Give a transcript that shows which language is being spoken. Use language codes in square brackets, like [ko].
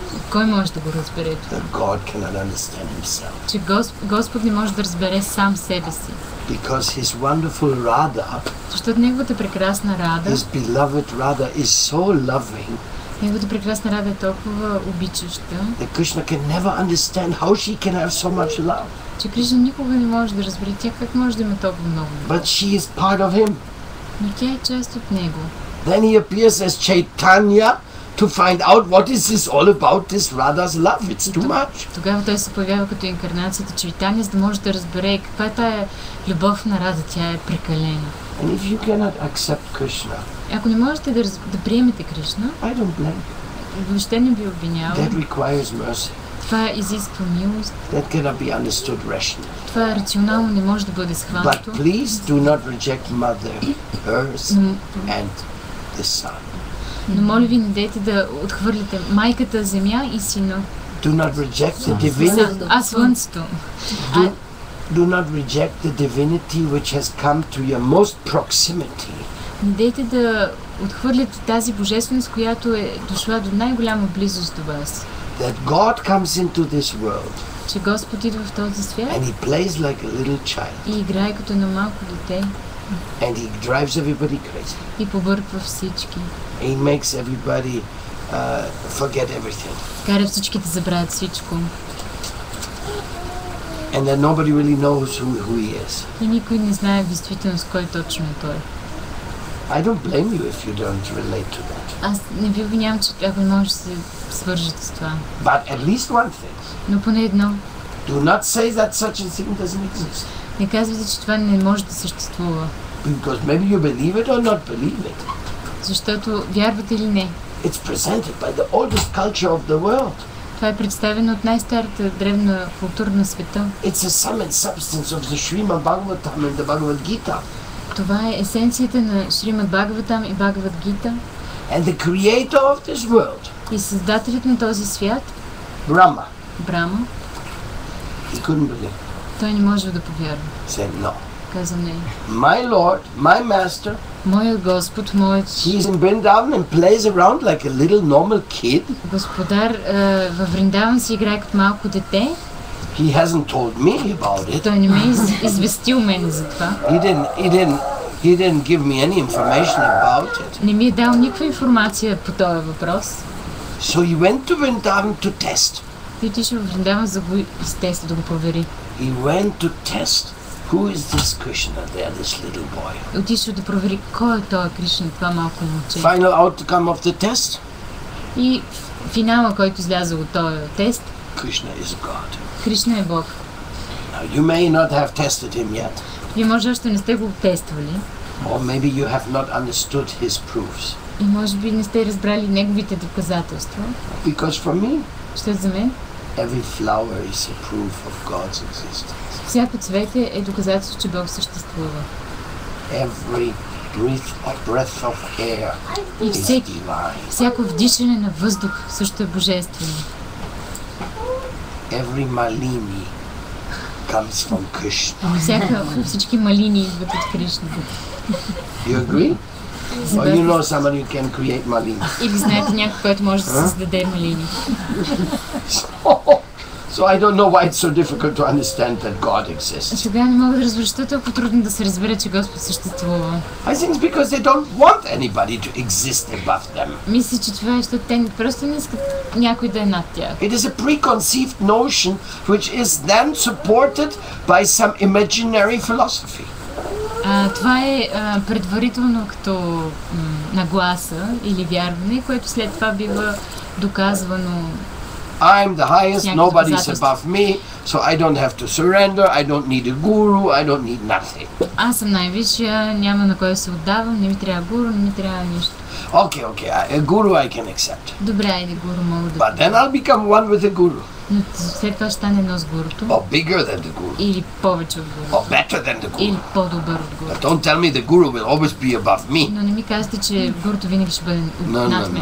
[bg] Кой може да го разбере това? [en] That God cannot understand himself. [bg] Че Господ не може да разбере сам себе си. [en] Because his wonderful Radha. [bg] Защото неговата прекрасна Рада. [en] His beloved Radha is so loving. [bg] Неговата прекрасна Рада е толкова обичаща. [en] That Krishna can never understand how she can have so much love. [bg] Че Кришна никога не може да разбере тя как може да има толкова много. [en] But she is part of him. [bg] Но тя е част от него. [en] Then he appears as Chaitanya to find out what is this all about, this Radha's love. It's too much. [bg] Тогава той се появява като инкарнацията Чайтанья, за да може да разбере каква е тая любов на Рада. Тя е прекалена. [en] And if you cannot accept Krishna, [bg] ако не можете да приемете Кришна, [en] I don't blame. [bg] Въобще не ви обвинявам. [en] That requires mercy. [bg] Това изисква милост. [en] That cannot be understood rationally. [bg] Това рационално не може да бъде схванато. [en] But please do not reject Mother Earth and the Sun. [bg] Но моля ви, не дейте да отхвърляте майката Земя и сина. [en] Do not reject the divinity. [bg] А Слънцето. [en] Do not reject the divinity which has come to your most proximity. [bg] Не дейте да отхвърляте тази божественост, която е дошла до най-голяма близост до вас. [en] That God comes into this world. [bg] Че Господ идва в този свят. [en] And he plays like a little child. [bg] И играе като на малко дете. [en] And he drives everybody crazy. [bg] И побърква всички. [en] He makes everybody forget everything. [bg] Кара всички да забравят всичко. [en] And then nobody really knows who he is. [bg] И никой не знае действително с кой точно е той. [en] I don't blame you if you don't relate to that. [bg] Аз не ви обвинявам, че ако може да се свържете с това. [en] But at least one thing. [bg] Но поне едно. [en] Do not say that such a thing doesn't exist. [bg] Не казвайте, че това не може да съществува. [en] Because maybe you believe it or not believe it. [bg] Защото вярвате или не. [en] It's presented by the oldest culture of the world. [bg] Това е представено от най-старата древна култура на света. [en] It's a sum and substance of the Srimad Bhagavatam and the Bhagavad Gita. [bg] Това е есенцията на Шримад Бхагаватам и Бхагавад Гита. [en] And the creator of this world. [bg] И създателят на този свят. Брама. Брама. [en] He couldn't believe. [bg] Той не може да повярва. [en] Said no. [bg] Каза не. [en] My lord, my master. [bg] Моят Господ, моят. [en] He's in Vrindavan and plays around like a little normal kid. [bg] Господар във Вриндаван си играе като малко дете. [en] He hasn't told me about it. [bg] Той не ми известил мен за това. [en] He didn't give me any information about it. [bg] Не ми е дал никаква информация по този въпрос. [en] So he went to Vrindavan to test. [bg] Той отишъл във Вриндаван за тест, да го провери. [en] He went to test. Who is this Krishna there, this little boy? [bg] Отишъл да провери кой е този Кришна, това малко момче. [en] Final outcome of the test? [bg] И финала, който излязъл от този тест. [en] Krishna is God. [bg] Кришна е Бог. [en] Now you may not have tested him yet. [bg] Вие може още не сте го тествали. [en] Or maybe you have not understood his proofs. [bg] И може би не сте разбрали неговите доказателства. [en] Because for me, [bg] що за мен? [en] Every flower is a proof of God's existence. [bg] Всяко цвете е доказателство, че Бог съществува. [en] Every breath of air is divine. [bg] Всяко вдишване на въздух също е божествено. [en] Every malini comes from Krishna. [bg] Всички малини идват от Кришна. [en] You agree? Or you know someone who can create malini? [bg] Или знаете някой, който може да създаде малини? [en] So I don't know why it's so difficult to understand that God exists. [bg] Сега не мога да разбера защо е толкова трудно да се разбере, че Господ съществува. [en] I think it's because they don't want anybody to exist above them. [bg] Мисля, че това е, защото те просто не искат някой да е над тях. [en] It is a preconceived notion which is then supported by some imaginary philosophy. [bg] Това е предварително като нагласа или вярване, което след това бива доказвано. [en] I'm the highest, nobody's above me, so I don't have to surrender, I don't need a guru, I don't need nothing. [bg] Аз съм най-висшия, няма на кой се отдавам, не ми трябва гуру, не ми трябва нищо. [en] Okay, a guru I can accept. [bg] Добре, айде гуру мога да. [en] But then I'll become one with the guru. [bg] След това стане едно с гуруто. [en] Or bigger than the guru. [bg] Или повече от гуру. [en] Or better than the guru. [bg] Или по-добър от гуру. [en] But don't tell me the guru will always be above me. [bg] Но не ми казвате, че гуруто винаги ще бъде над мен.